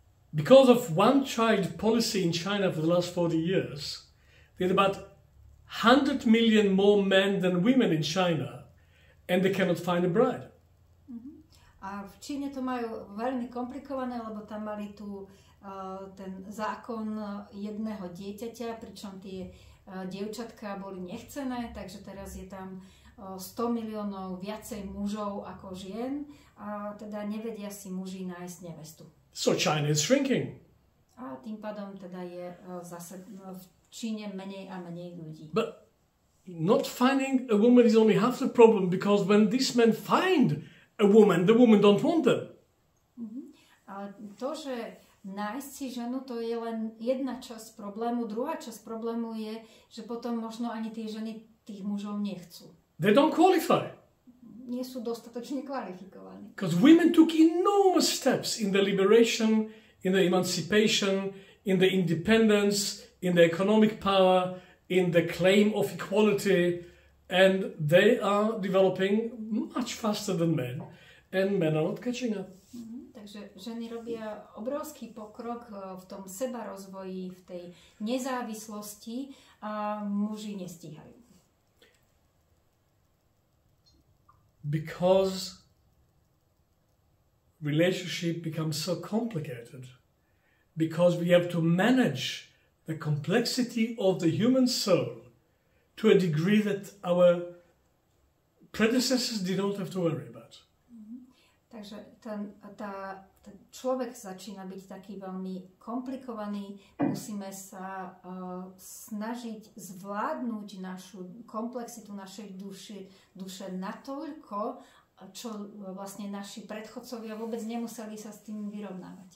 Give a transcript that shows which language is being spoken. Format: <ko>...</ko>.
<en>Because of one-child policy in China for the last 40 years, there are about 100 million more men than women in China, and they cannot find a bride.</en> <sk>A v Číne to majú veľmi komplikované, lebo tam mali tu ten zákon jedného dieťaťa, pričom tie dievčatka boli nechcené, takže teraz je tam 100 miliónov viacej mužov ako žien, a teda nevedia si muži nájsť nevestu.</sk> <en>So China is shrinking.</en> <sk>A tým pádom teda je zase v Číne menej a menej ľudí.</sk> <en>But not finding a woman is only half the problem, because when this man find a woman, the woman don't want them.</en> <sk>Ale to, že nájsť si ženu, to je len jedna časť problému. Druhá časť problému je, že potom možno ani tie ženy tých mužov nechcú.</sk> <en>They don't qualify.</en> <sk>nie sú dostatočne kvalifikovaní.</sk> <en>Because women took enormous steps in the liberation, in the emancipation, in the independence, in the economic power, in the claim of equality, and they are developing much faster than men, and men are not catching up.</en> <sk>Takže ženy robia obrovský pokrok v tom sebarozvoji, v tej nezávislosti a muži nestíhajú.</sk> <en>Because relationship becomes so complicated, because we have to manage the complexity of the human soul to a degree that our predecessors did not have to worry about.</en> <sk>Takže ten človek začína byť taký veľmi komplikovaný. Musíme sa snažiť zvládnuť našu komplexitu, našej duše natoľko, čo vlastne naši predchodcovia vôbec nemuseli sa s tým vyrovnávať.</sk>